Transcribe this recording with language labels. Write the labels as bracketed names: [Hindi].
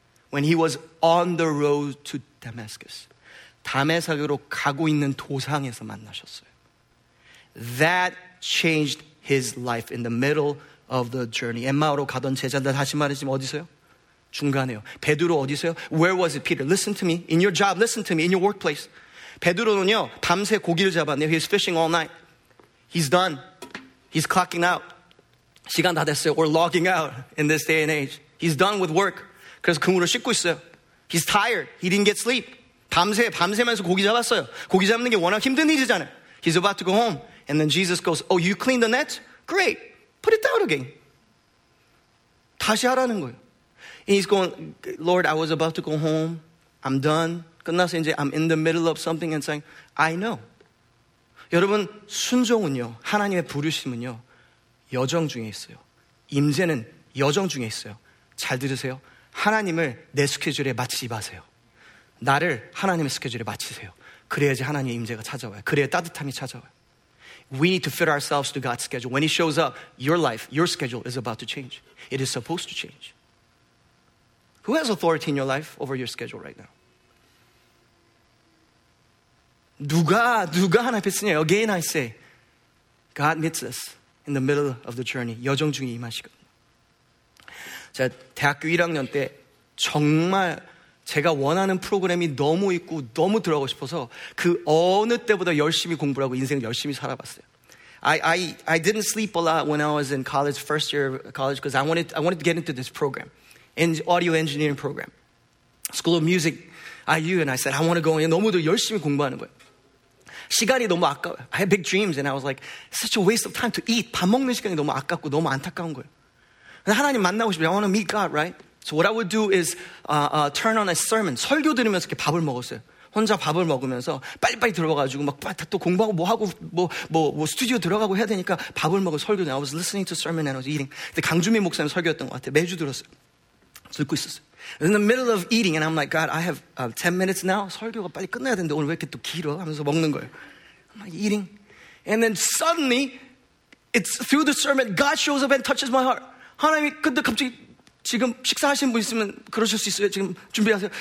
[English] When he was on the road to Damascus. [Korean] 다메섹으로 가고 있는 도상에서 만나셨어요. [English] That changed his life in the middle of the journey. [Korean] 엠마오로 가던 제자들 다시 말해지면 어디서요? 중간에요. 베드로 어디서요? [English] Where was it, Peter? Listen to me. In your job, listen to me. In your workplace. [Korean] 베드로는요, 밤새 고기를 잡았네요. [English] He's fishing all night. He's done. He's clocking out. [Korean] 시간 다 됐어요. [English] We're logging out in this day and age. He's done with work. [Korean] 그래서 근무를 씻고 있어요. [English] He's tired. He didn't get sleep. [Korean] 밤새면서 고기 잡았어요. 고기 잡는 게 워낙 힘든 일이잖아요. [English] He's about to go home. And then Jesus goes, oh, you cleaned the net? Great. Put it down again. [Korean] 다시 하라는 거예요. [English] And he's going, Lord, I was about to go home. I'm done. [Korean] 끝나서 이제 [English] I'm in the middle of something and saying, I know. [Korean] 여러분, 순종은요, 하나님의 부르심은요, 여정 중에 있어요. 임재는 여정 중에 있어요. 잘 들으세요. 하나님을 내 스케줄에 맞추지 마세요. 나를 하나님의 스케줄에 맞추세요. 그래야지 하나님의 임재가 찾아와요. 그래야 따뜻함이 찾아와요. [English] We need to fit ourselves to God's schedule. When he shows up, your life, your schedule is about to change. It is supposed to change. Who has authority in your life over your schedule right now? [Korean] 누가 하나님 앞에 쓰냐? [English] Again I say, God meets us in the middle of the journey. [Korean] 여정중에 임하시거든요. 제가 대학교 1학년 때 정말 제가 원하는 프로그램이 너무 있고 너무 들어가고 싶어서 그 어느 때보다 열심히 공부를 하고 인생을 열심히 살아봤어요. [English] I didn't sleep a lot when I was in college, first year of college, because I wanted to get into this program, in audio engineering program, School of Music, IU, and I said, I want to go in. [Korean] 너무도 열심히 공부하는 거예요. 시간이 너무 아까워요. [English] I had big dreams, and I was like, such a waste of time to eat. [Korean] 밥 먹는 시간이 너무 아깝고 너무 안타까운 거예요. 하나님 만나고 싶어요. [English] I want to meet God, right? So what I would do is turn on a sermon. [Korean] 설교 들으면서 이렇게 밥을 먹었어요. 혼자 밥을 먹으면서 빨리빨리 들어가가지고 막 또 공부하고 뭐하고 뭐 스튜디오 들어가고 해야 되니까 밥을 먹어 설교. [English] I was listening to sermon and I was eating. [Korean] 근데 강주민 목사님 설교였던 것 같아요. 매주 들었어요. 듣고 있었어요. [English] In the middle of eating and I'm like, God, I have 10 minutes now. [Korean] 설교가 빨리 끝나야 되는데 오늘 왜 이렇게 또 길어? 하면서 먹는 거예요. [English] I'm like eating. And then suddenly, it's through the sermon, God shows up and touches my heart. [Korean] 하나님이 근데 갑자기 지금 식사하시는 분 있으면 그러실 수 있어요. 지금 준비하세요.